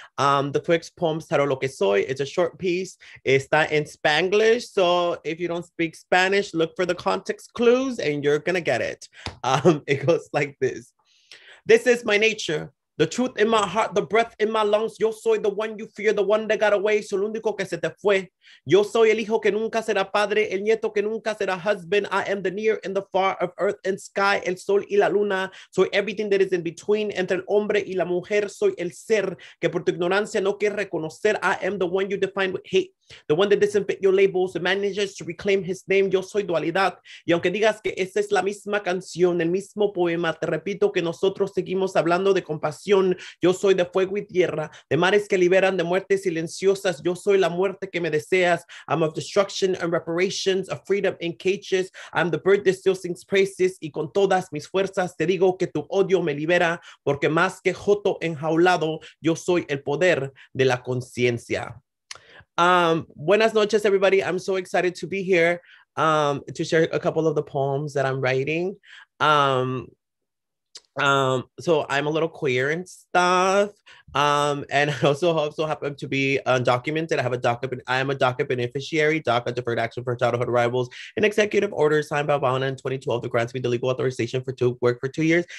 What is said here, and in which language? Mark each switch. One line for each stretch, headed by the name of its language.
English: The first poem, Saro Lo Que Soy, it's a short piece. Está in Spanglish. So if you don't speak Spanish, look for the context clues and you're gonna get it. It goes like this. This is my nature. The truth in my heart, the breath in my lungs.
Spanish: Yo soy
English: the one you fear, the one that got away, so
Spanish: el único que se te fue. Yo soy el hijo que nunca será padre, el nieto que nunca será husband.
English: I am the near and the far of earth and sky,
Spanish: el sol y la luna. Soy
English: everything that is in between,
Spanish: entre el hombre y la mujer. Soy el ser que por tu ignorancia no quiere reconocer.
English: I am the one you define with hate, the one that doesn't fit your labels and manages to reclaim his name.
Spanish: Yo soy dualidad. Y aunque digas que esa es la misma canción, el mismo poema, te repito que nosotros seguimos hablando de compasión. Yo soy de fuego y tierra, de mares que liberan, de muertes silenciosas. Yo soy la muerte que me deseas.
English: I'm of destruction and reparations, of freedom in cages. I'm the bird that still sings praises.
Spanish: Y con todas mis fuerzas te digo que tu odio me libera, porque más que joto enjaulado, yo soy el poder de la conciencia. Buenas noches, everybody.
English: I'm so excited to be here to share a couple of the poems that I'm writing. So I'm a little queer and stuff, and I also happen to be undocumented. I have a DACA. I am a DACA beneficiary, DACA Deferred Action for Childhood Arrivals, an executive order signed by Obama in 2012 that grants me the legal authorization for to work for 2 years.